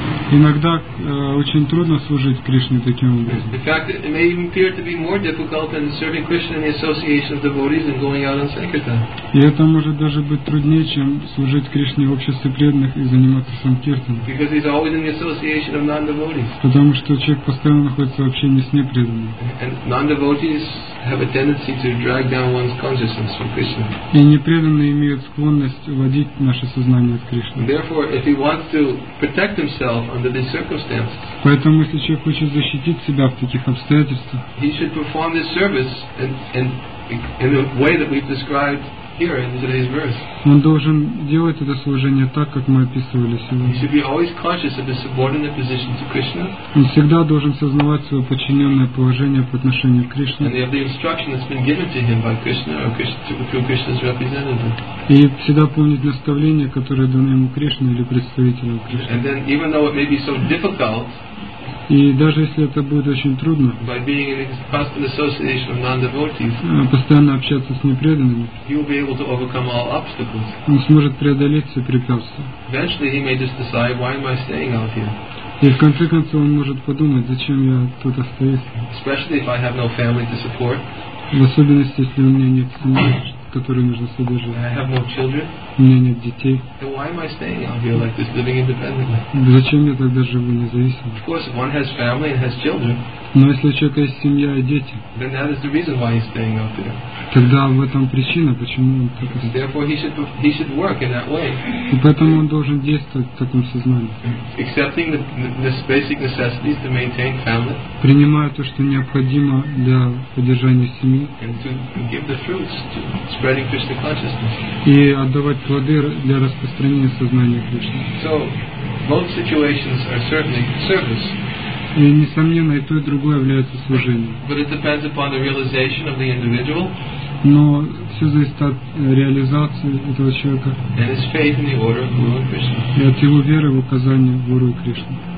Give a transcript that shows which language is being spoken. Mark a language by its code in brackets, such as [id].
[ru] Иногда очень трудно служить Кришне таким образом. [en] In fact, it may even appear to be more difficult than serving Krishna in the association of devotees and going out on sankirtan. [ru] И это может даже быть труднее, чем служить Кришне в обществе преданных и заниматься санкиртаном. [en] Because he's always in the association of non-devotees. [ru] Потому что человек постоянно находится в общении с непреданными. [en] And non-devotees have a tendency to drag down one's consciousness from Krishna. [ru] И непреданные имеют склонность уводить наше сознание от Кришны. [en] Therefore, if he wants to protect himself under these circumstances, [ru] поэтому если человек хочет защитить себя в таких обстоятельствах, [en] he should perform this service in the way that we've described here in today's verse. [ru] Он должен делать это служение так, как мы описывали сегодня. [en] He should be always conscious of his subordinate position to Krishna. [ru] Он всегда должен сознавать свое подчиненное положение по отношению к Кришне. [en] And the instruction that's been given to him by Krishna or through Krishna's representative. [ru] И всегда помнить наставления, которые даны ему Кришной или представителем Кришны. [en] And then, even though it may be so difficult, [ru] и даже если это будет очень трудно, [en] by being in constant association of non-devotees, [ru] постоянно общаться с непреданными, [en] he will be able to overcome all obstacles. [ru] Он сможет преодолеть все препятствия. [en] Eventually, he may just decide, why am I staying out here? [ru] И в конце концов он может подумать, зачем я тут остаюсь. [en] Especially if I have no family to support. [ru] В особенности, если у меня нет семьи, которую нужно содержать. [en] I have no children. [ru] У меня нет детей. [en] Then why am I staying out here like this, living independently? [ru] Зачем я тогда живу независимо? [en] Of course, one has family and has children. [ru] Но если у человека есть семья и дети, [en] then that is the reason why he's staying out there. [ru] Тогда в этом причина, почему он так остается. [en] Therefore, he should work in that way. [ru] И поэтому он должен действовать в таком сознании. [en] Accepting the basic necessities to maintain family. [ru] Принимая то, что необходимо для поддержания семьи. [en] And to give the fruits to spreading Krishna consciousness. [ru] И отдавать плоды для распространения сознания Кришны. [en] So, both situations are certainly service. [ru] И несомненно, и то, и другое является служением. [en] But it depends upon the realization of the individual. [ru] Но все зависит от реализации этого человека. [en] And his faith in the order of Guru Krishna. [ru] И от его веры в указание Гуру Кришны.